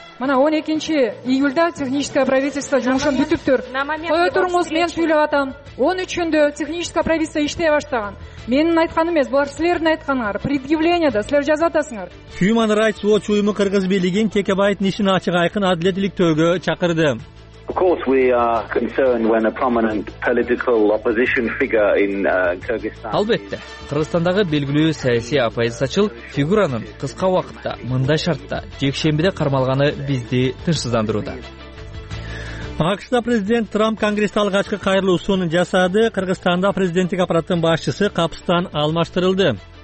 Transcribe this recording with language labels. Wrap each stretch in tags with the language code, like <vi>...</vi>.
<ky>Mana 12-nji iýulda</ky> <ru>техническое правительство</ru> <ky>жумушун бүтүптүр. Кое туруңуз, мен сүйлөп атам. 13-нде</ky> <ru>техническое правительство</ru> <ky>иштей баштаган. Менин айтканым эмес, булар силердин айтканыңар. Предъявление да силер жазатасыңар. Human Rights Watch уюму кыргыз бийлигин Текебаевдин ишин ачык айкын адилеттик төөгө чакырды.</ky> <en>Of course we are concerned when a prominent political opposition figure in Kyrgyzstan.</en> <ky>Албетте, Кыргызстандагы белгилүү саясий оппозициячыл фигуранын кыска убакытта мындай шартта жекшембиде кармалганы бизди тынчсыздандырууда. АКШ-та президент Трамп Конгресске алгачкы кайрылуусун жасады. Кыргызстанда президенттик аппараттын башчысы капыстан алмаштырылды.</ky>